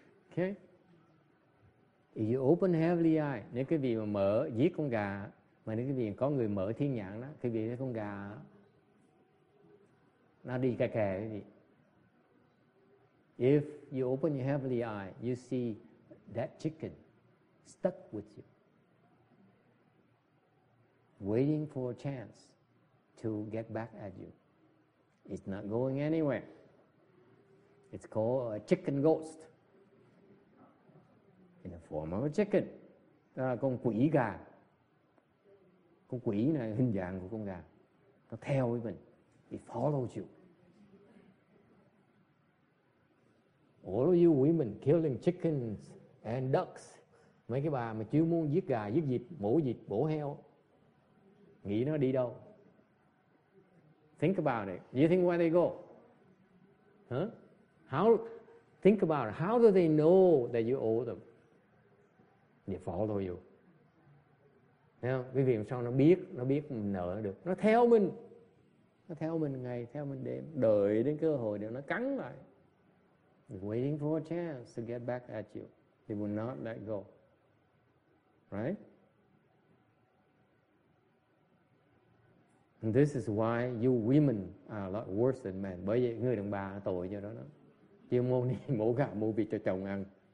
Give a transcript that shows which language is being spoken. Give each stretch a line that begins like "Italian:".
English: Okay. If you open heavenly eye,
Vietnamese: nếu quý vị mà mở giết con gà, mà nếu quý vị có người mở thiên nhãn đó, quý vị thấy con gà nó đi kè kè quý vị.
English: If you open your heavenly eye, you see that chicken stuck with you, waiting for a chance to get back at you. It's not going anywhere. It's called a chicken ghost. In the form of a chicken.
Vietnamese: Con quỷ gà. Con quỷ này hình dạng của con gà. Nó theo với mình.
English: It follows you. All of you women killing chickens and ducks.
Vietnamese: Mấy cái bà mà chuyên muốn giết gà, giết vịt, mổ heo. Nghĩ nó đi đâu?
English: Think about it. Do you think where they go? Huh? How? Think about it. How do they know that you owe them? They follow you.
Vietnamese: Thấy không? Quý vị làm sao nó biết mình nợ được. Nó theo mình. Nó theo mình ngày, theo mình đêm. Đợi đến cơ hội để nó cắn lại.
English: Waiting for a chance to get back at you. They will not let go. Right? And this is why you women are a lot worse than men.
Vietnamese: Bởi vậy người đàn bà tội cho đó. Chưa mô ni, mổ gà, mổ vịt cho chồng ăn.